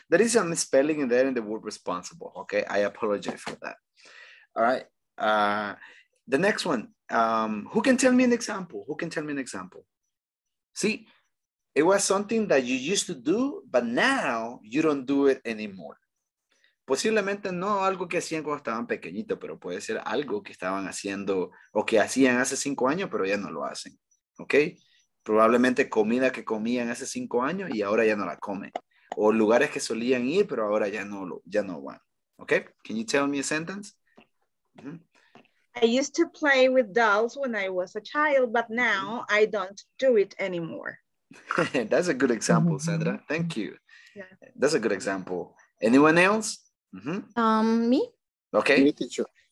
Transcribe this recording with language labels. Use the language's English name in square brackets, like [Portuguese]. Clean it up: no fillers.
[English] There is a misspelling in there in the word responsible. Okay. I apologize for that. All right. The next one. Who can tell me an example? Who can tell me an example? See, it was something that you used to do, but now you don't do it anymore. [Spanish] Posiblemente no algo que hacían cuando estaban pequeñitos, pero puede ser algo que estaban haciendo o que hacían hace 5 años, pero ya no lo hacen. ¿Ok? Probablemente comida que comían hace 5 años y ahora ya no la comen. O lugares que solían ir, pero ahora ya no van. [English] ¿Ok? Can you tell me a sentence? I used to play with dolls when I was a child, but now I don't do it anymore. That's a good example, Sandra. Thank you. Yeah. That's a good example. Anyone else? Mm-hmm. Me. Okay. Me, teacher.